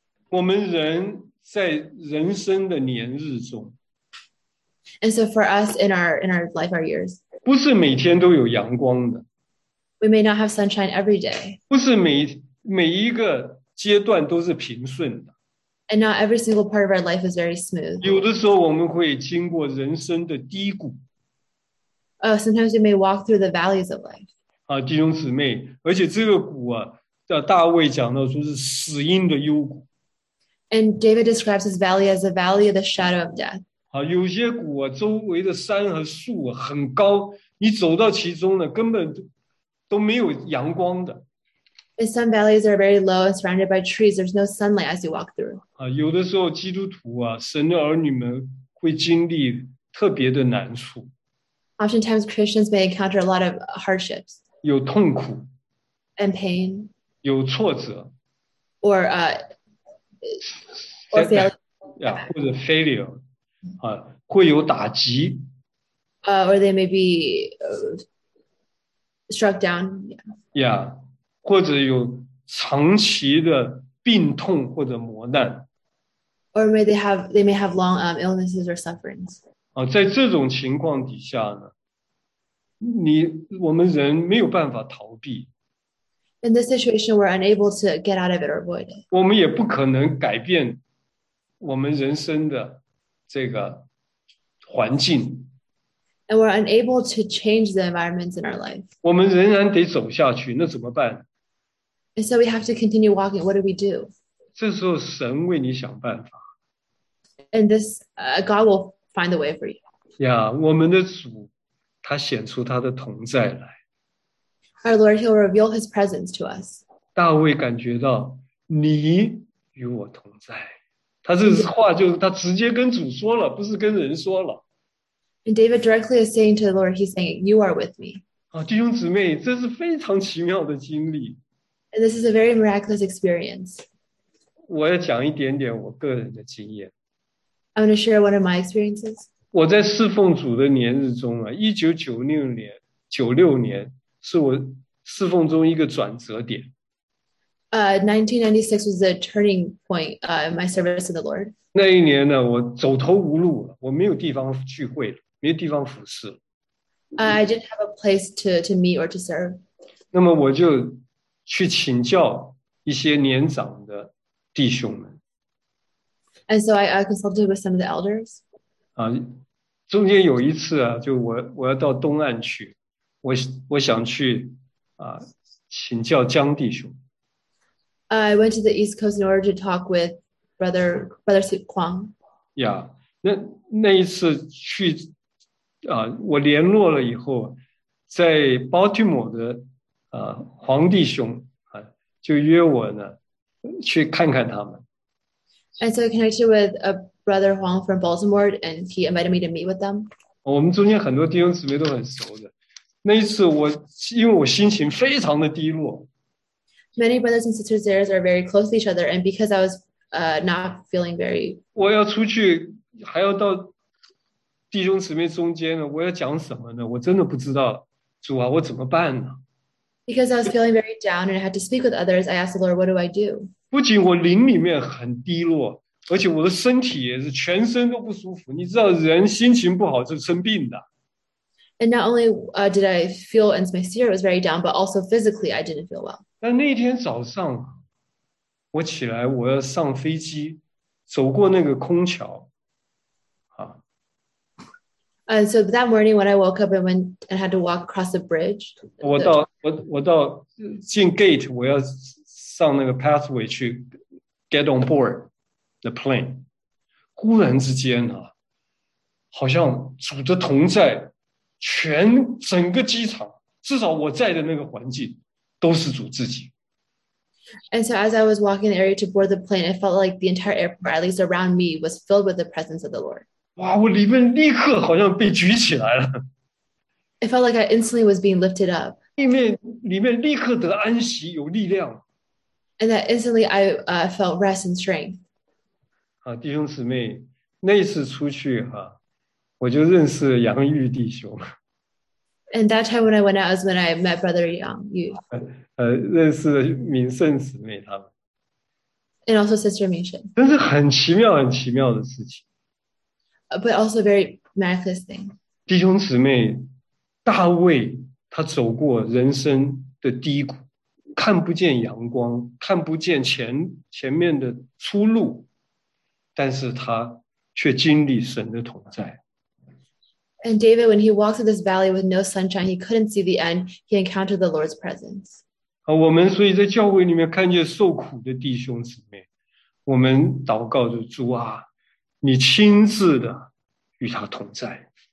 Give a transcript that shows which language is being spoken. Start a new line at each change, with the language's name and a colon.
Chinese: 我们人在人生的年日中，
English: And so for us in our life, our years,
Chinese: 不是每天都有阳光的，
English: we may not have sunshine every day.
Chinese: 不是每一个阶段都是平顺的，
English: And not every single part of our life is very smooth.
Chinese: 有的时候我们会经过人生的低谷。
English: Sometimes we may walk through the valleys of life.
Chinese: 啊，弟兄姊妹，而且这个谷啊，叫大卫讲到说是死荫的幽谷。
English: And David describes his valley as the valley of the shadow of death.
Chinese: 啊，有些谷啊，周围的山和树啊很高，你走到其中呢，根本都没有阳光的。
English: And some valleys are very low and surrounded by trees. There's no sunlight as you walk through.
Chinese: 啊，有的时候基督徒啊，神的儿女们会经历特别的难处，
English: Oftentimes, Christians may encounter a lot of hardships
Chinese: 有痛苦，
English: and pain.
Chinese: 有挫折，
English: Or fail,
Chinese: 或者 failure，啊，会有打击，
English: or they may be struck down.
Chinese: 或者有长期的病痛或者磨难。
English: Or may they may have long illnesses or sufferings.
Chinese: 啊，在这种情况底下呢，我们人没有办法逃避，
English: In this situation, we're unable to get out of it or avoid it.
Chinese: 我们也不可能改变我们人生的这个环境，
English: And we're unable to change the environments in our life.
Chinese: 我们仍然得走下去，那怎么办？
English: And so we have to continue walking. What do we do?
Chinese: 这时候神为你想办法。
English: And this, God will find the way for you.
Chinese: 我们的主，他显出他的同在来。
English: Our Lord, He'll reveal His presence to us.
Chinese: 大卫感觉到你与我同在，他这
English: And
Chinese: 话就是他直接跟主说了，不是跟人说了。
English: David directly is saying to the Lord, He's saying, You are with me.
Chinese: 啊，弟兄姊妹，这是非常奇妙的经历。
English: And this is a very miraculous experience.
Chinese: 我要讲一点点我个人的经验。
English: I'm going to share one of my experiences.
Chinese: 我在侍奉主的年日中啊，1996年是我侍奉中一个转折点。
English: 1996 was the turning point in my service to the Lord.
Chinese: 那一年呢，我走投无路了，我没有地方聚会了，没有地方服侍了。
English: I didn't have a place to meet or to serve.
Chinese: 那么我就去请教一些年长的弟兄们。
English: And so I consulted with some of the elders.
Chinese: 啊，中间有一次啊，就我要到东岸去，我想去啊，请教江弟兄。
English: I went to the East Coast in order to talk with Brother Kwong.
Chinese: 那一次去啊，我联络了以后，在巴提摩的皇帝兄就约我呢去看看他们。
English: And so I connected with a brother Huang from Baltimore, and he invited me to meet with them.
Chinese: 我们中间很多弟兄姊妹都很熟的。那一次我因为我心情非常的低落。
English: Many brothers and sisters there are very close to each other, and because I was not feeling very
Chinese: 我要出去，还要到弟兄姊妹中间呢，我要讲什么呢？我真的不知道，主啊，我怎么办呢？
English: Because I was feeling very down and I had to speak with others, I asked the Lord, what do I do?
Chinese: 不仅我灵里面很低落，而且我的身体也是全身都不舒服。你知道，人心情不好是生病的。
English: And not only did I feel and my spirit was very down, but also physically I didn't feel well.
Chinese: 但那天早上，我起来，我要上飞机。走过那个空桥，
English: And so that morning when I woke up and went and had to walk across the bridge, the
Chinese: 我到进 gate，我要上那个 pathway 去
English: get on board the plane。
Chinese: 忽然之间好像主的同在，整个机场，至少我在的那个环境，都是主自己。
English: And so, as I was walking the area to board the plane, I felt like the entire airport, at least around me, was filled with the presence of the Lord.
Chinese: 哇！我里面立刻好像被举起来了，
English: It felt like I instantly was being lifted up.
Chinese: 里面立刻得安息，有力量。
English: And that instantly I felt rest and strength.
Chinese: 弟兄姊妹，那一次出去我就认识杨玉弟兄，
English: And that time when I went out is when I met Brother Yang Yu.
Chinese: 认识明圣姊妹他们，
English: And also Sister Mingxuan.
Chinese: 真是很奇妙、很奇妙的事情。
English: But also very miraculous thing.
Chinese: 弟兄姊妹，大卫他走过人生的低谷，看不见阳光，看不见前面的出路，但是他却经历神的同在。
English: And David, when he walked through this valley with no sunshine, he couldn't see the end. He encountered the Lord's presence.
Chinese: 我们所以在教会里面看见受苦的弟兄姊妹，我们祷告着主啊，你亲自的与他同在。